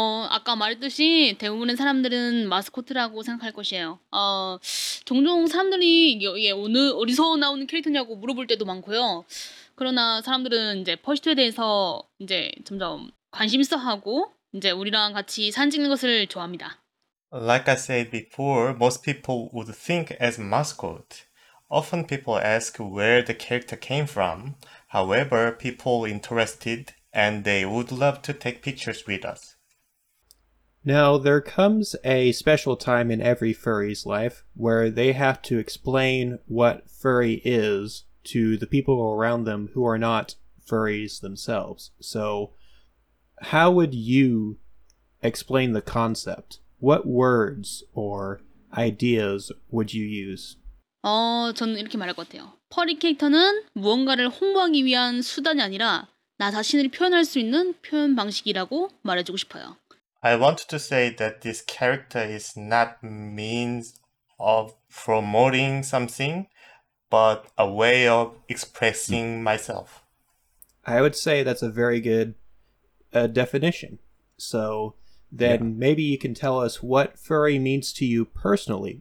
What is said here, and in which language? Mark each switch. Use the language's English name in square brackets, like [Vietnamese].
[Korean] 아까 말했듯이 대부분의 사람들은 마스코트라고 생각할 것이에요. 종종 사람들이 이게 오늘 어디서 나오는 캐릭터냐고 물어볼 때도 많고요. 그러나 사람들은 이제 퍼시트에 대해서 이제 점점 관심있어하고 이제 우리랑 같이 사진 찍는 것을 좋아합니다. [English] Like I said before, most people would think as mascot. Often people ask where the character came from. However, people interested and they would love to take pictures with us. Now, there comes a special time in every furry's life where they have to explain what furry is to the people around them who are not furries themselves. So, how would you explain the concept? What words or ideas would you use? [Korean] 저는 이렇게 말할 것 같아요. 퍼리 캐릭터는 무언가를 홍보하기 위한 수단이 아니라 나 자신을 표현할 수 있는 표현 방식이라고 말해주고 싶어요. [English] I want to say that this character is not means of promoting something, but a way of expressing myself. I would say that's a very good definition. So then maybe you can tell us what furry means to you personally.